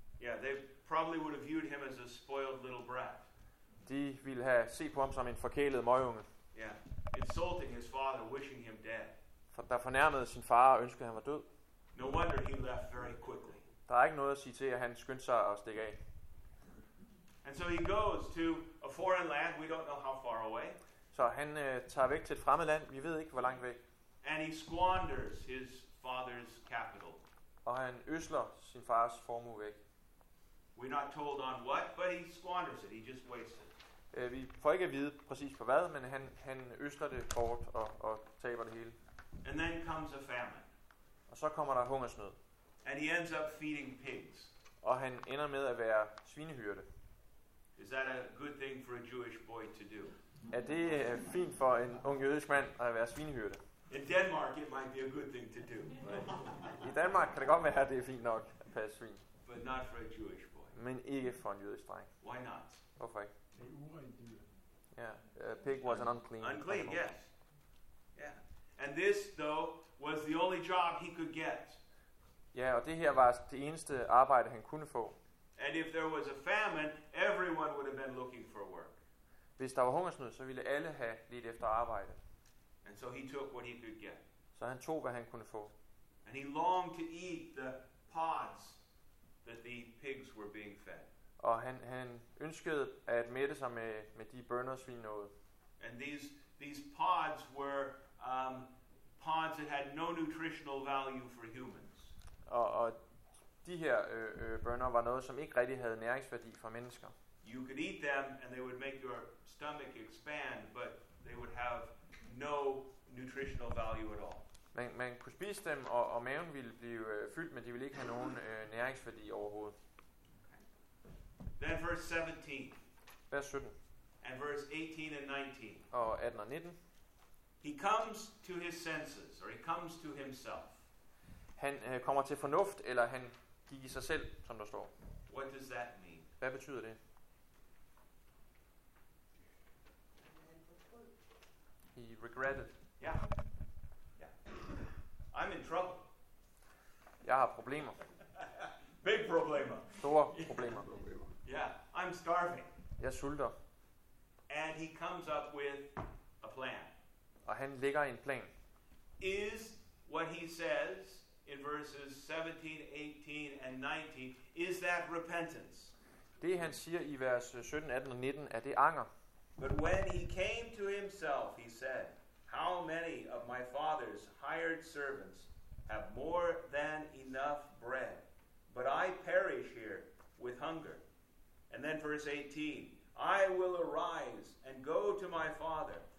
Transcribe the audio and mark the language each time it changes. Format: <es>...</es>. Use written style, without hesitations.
<en>Yeah, they probably would have viewed him as a spoiled little brat.</en> <da>De ville have set på ham som en forkælet møgunge.</da> <en>Yeah, insulting his father, wishing him dead.</en> <da>Der fornærmede sin far og ønskede, at han var død.</da> <en>No wonder he left very quickly.</en> <da>Der er ikke noget at sige til, at han skyndte sig at stikke af.</da> <en>And so he goes to a foreign land, we don't know how far away.</en> <da>Så han tager væk til et fremmed land, vi ved ikke, hvor langt væk.</da> <en>And he squanders his father's capital.</en> <da>Og han øsler sin fars formue væk.</da> <en>We're not told on what, but he squanders it, he just wastes it.</en> <da>Vi får ikke at vide præcis på hvad, men han øsler det bort og taber det hele.</da> <en>And then comes a famine.</en> <da>Og så kommer der hungersnød.</da> <en>And he ends up feeding pigs.</en> <da>Og han ender med at være svinehyrde.</da> <en>Is that a good thing for a Jewish boy to do?</en> <da>Er det fint for en ung jødisk mand at være svinehyrde?</da> <en>In Denmark it might be a good thing to do.</en> <da>I Danmark kan det godt være, at det er fint nok at passe svin.</da> <en>But not for a Jewish boy.</en> <da>Men ikke for en jødisk dreng.</da> <en>Why not?</en> <da>Hvorfor ikke? Det er urent dyr.</da> <en>Ja, pig was an unclean. Unclean, animal. Yes. Yeah. And this though was the only job he could get.</en> <da>Ja, og det her var det eneste arbejde han kunne få.</da> <en>And if there was a famine, everyone would have been looking for work.</en> <da>Hvis der var hungersnød, så ville alle have lidt efter arbejde.</da> <en>And so he took what he could get.</en> <da>Så han tog hvad han kunne få.</da> <en>And he longed to eat the pods that the pigs were being fed.</en> <da>Og han ønskede at mætte sig med de bønnersvin noget.</da> <en>And these pods were pods that had no nutritional value for humans.</en> <da>Og de her bønner var noget som ikke rigtig havde næringsværdi for mennesker.</da> <en>You could eat them and they would make your stomach expand, but they would have no nutritional value at all.</en> <da>Man kunne spise dem og maven ville blive fyldt, men de ville ikke have nogen næringsværdi overhovedet.</da> <en>Then verse 17.</en> <da>Vers 17.</da> <en>And verse 18 and 19.</en> <da>Og 18 og 19.</da> <en>He comes to his senses, or he comes to himself.</en> <da>Han kommer til fornuft, eller han gik i sig selv, som der står.</da> <en>What does that mean?</en> <da>Hvad betyder det?</da> <en>He regretted. Yeah. I'm in trouble.</en> <da>Jeg har problemer.</da> <en>Big problemer.</en> <da>Store problemer.</da> <en>Yeah, I'm starving.</en> <da>Jeg sulter.</da> <en>And he comes up with a plan.</en> <da>Og han lægger en plan.</da> <en>Is what he says in verses 17, 18 and 19, is that repentance?</en> <da>Det han siger i vers 17, 18 og 19, er det anger.</da> <en>But when he came to himself, he said, how many of my father's hired servants have more than enough bread? But I perish here with hunger. And then verse 18, I will arise and go to my father.</en>